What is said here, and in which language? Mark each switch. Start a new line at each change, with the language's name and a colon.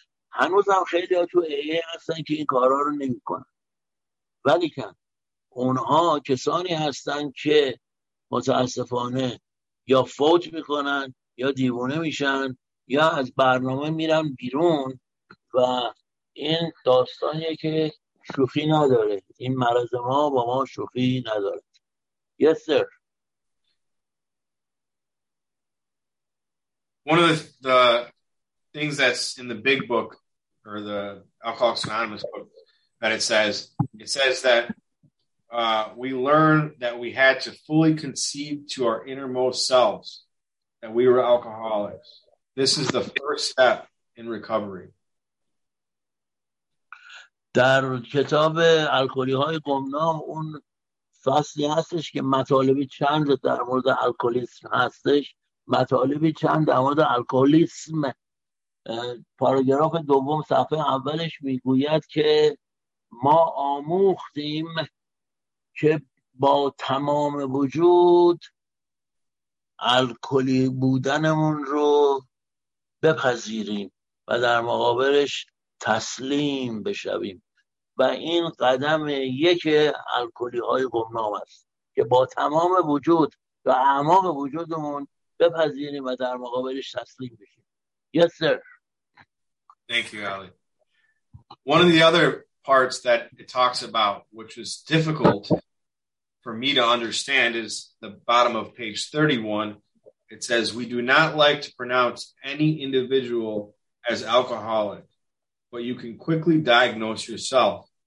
Persian: هنوزم خیلی ها تو ایه هستن که این کارها رو نمی کنن، ولی که اونها کسانی هستن که متاسفانه یا فوت میکنن یا دیوانه میشن یا از برنامه میرن بیرون و این داستانیه که شوخی نداره، این مرض ما با ما شوخی نداره.
English: Yes, sir. One of the things that's in the big book or the Alcoholics Anonymous book that it says that we learn that we had to fully concede to our innermost selves that we were alcoholics. This is the first step in recovery.
Persian: در کتاب الکلی های گمنام اون فصلی هستش که مطالبی چند در مورد الکلیسم هستش، مطالبی چند در مورد الکلیسم، پاراگراف دوم صفحه اولش میگوید که ما آموختیم که با تمام وجود الکلی بودنمون رو بپذیریم و در مقابلش تسلیم بشویم و این قدم یک الکلی های گمنام است که با تمام وجود و اعماق وجودمون بپذیریم و در مقابلش تسلیم بشیم.
English: Yes, sir. Thank you, Ali. One of the other parts that it talks about, which was difficult for me to understand, is the bottom of page 31. It says, we do not like to pronounce any individual as alcoholic, but you can quickly diagnose yourself.